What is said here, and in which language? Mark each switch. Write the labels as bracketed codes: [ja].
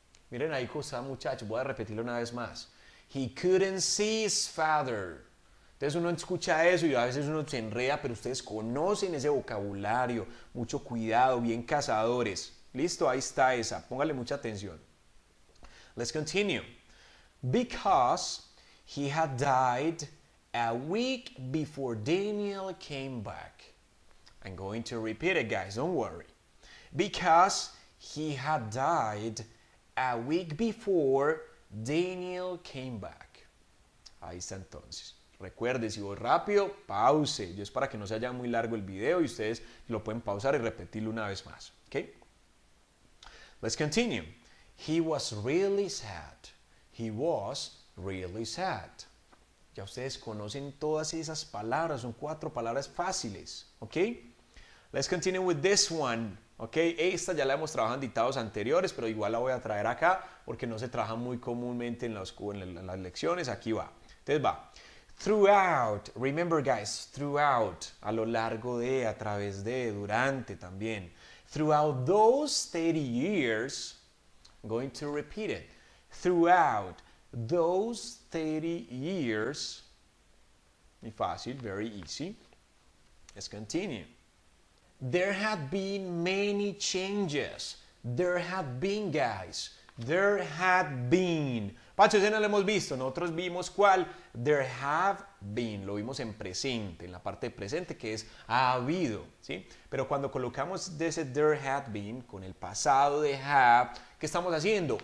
[es] Miren ahí cómo está, muchachos. Voy a repetirlo una vez más. [en] He couldn't see his father. [es] Entonces uno escucha eso y a veces uno se enreda, pero ustedes conocen ese vocabulario. Mucho cuidado, bien cazadores. Listo, ahí está esa. Póngale mucha atención. [en] Let's continue. Because he had died a week before Daniel came back. I'm going to repeat it, guys. Don't worry. Because he had died a week before Daniel came back. [es] Ahí está entonces. Recuerde, si voy rápido, pause. Yo es para que no se haya muy largo el video y ustedes lo pueden pausar y repetirlo una vez más. [en] ¿Okay? Let's continue. He was really sad. He was really sad. [es] Ya ustedes conocen todas esas palabras. Son cuatro palabras fáciles. [en] ¿Okay? Let's continue with this one. ¿Okay? [es] Esta ya la hemos trabajado en dictados anteriores, pero igual la voy a traer acá porque no se trabaja muy comúnmente en las lecciones. Aquí va. Entonces va. Throughout, [en] remember guys, [es] throughout, a lo largo de, a través de, durante también. [en] Throughout those 30 years, I'm going to repeat it. Throughout those 30 years, [es] muy fácil, [en] very easy. Let's continue. There have been many changes. There have been, guys. There have been. [es] Pacho, ese no lo hemos visto. Nosotros vimos cuál. [en] There have been. [es] Lo vimos en presente, en la parte de presente, que es ha habido. ¿Sí? Pero cuando colocamos ese [en] there have been [es] con el pasado de have, ¿qué estamos haciendo?